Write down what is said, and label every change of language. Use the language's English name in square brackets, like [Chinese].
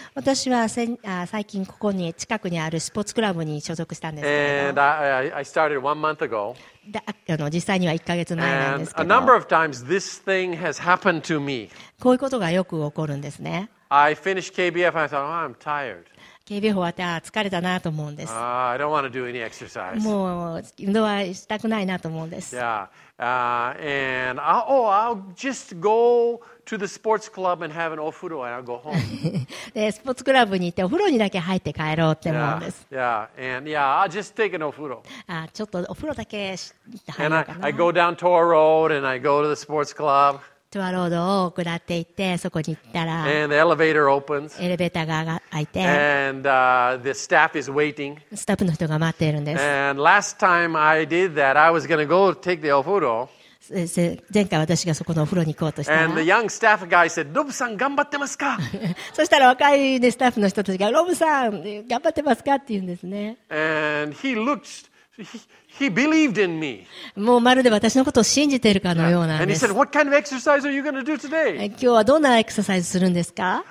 [Japanese] 私は最近ここに近くにあるスポーツクラブに所属したんですけど。 [English] And I started one month ago. [Japanese] 実際には1ヶ月前なんですけど。 [English] And a number of times this thing has happened to me. [Japanese] こういうことがよく起こるんですね。 [English] I finished KBF and I thought, oh, I'm tired. [Japanese] KBF 終わって、ああ、疲れたなと思うんです。 [English] I don't want to do any exercise. [Japanese] もう運動はしたくないなと思うんです。 [English] Yeah. And I'll just go. To the sports club and have an ofuro and I'll go home. [Japanese] で、スポーツクラブに行ってお風呂にだけ入って帰ろうって思うんです。 [English] Yeah, yeah, and yeah, I'll just take an ofuro. [Japanese] ああ、ちょっとお風呂だけ入ろうかな。 [English] And I go down Tower Road and I go to the sports club. [Japanese] トワロードを下って行ってそこに行ったら、 [English] and the elevator opens. [Japanese] エレベーターが開いて、 [English] and the staff is waiting. [Japanese] スタッフの人が待っているんです。 [English] And last time I did that, I was going to go take the ofuro. [Japanese] 前回私がそこのお風呂に行こうとしたら、 [English] said, [Japanese] ロブさん頑張ってますか。そしたら若い、ね、スタッフの人たちがロブさん頑張ってますかって言うんですね。 [English] And he looked, he believed in me. [Japanese] もうまるで私のことを信じているかのようなんです。 [English] And he said, What kind of exercise are you going to do today? [Japanese] 今日はどんなエクササイズするんですか。